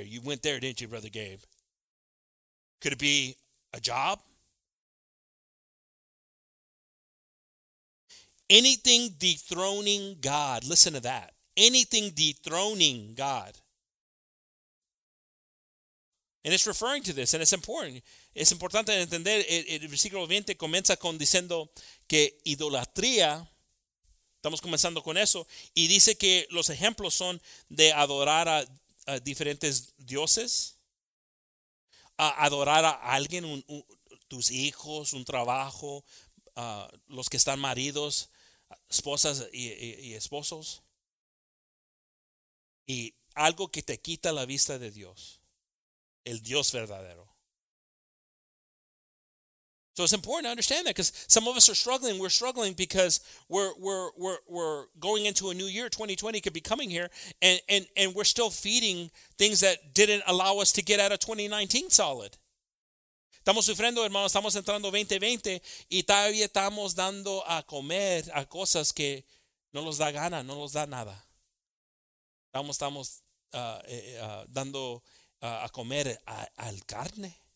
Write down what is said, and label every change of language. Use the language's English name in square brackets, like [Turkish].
[English] You went there, didn't you, Brother Gabe? Could it be a job? Anything dethroning God. Listen to that. Anything dethroning God. And it's referring to this, and it's important. [Spanish] Es importante entender, el versículo 20 comienza con diciendo que idolatría, estamos comenzando con eso, y dice que los ejemplos son de adorar a diferentes dioses, a adorar a alguien, tus hijos, un trabajo, los que están maridos, esposas y esposos, y algo que te quita la vista de Dios, el Dios verdadero. [English] So it's important to understand that, because some of us are struggling. We're struggling because we're going into a new year. 2020 could be coming here, and we're still feeding things that didn't allow us to get out of 2019 solid. [Spanish] Estamos sufriendo, hermanos. Estamos entrando 2020 y todavía estamos dando a comer a cosas que no nos da gana, no nos da nada. Estamos dando a comer al carne.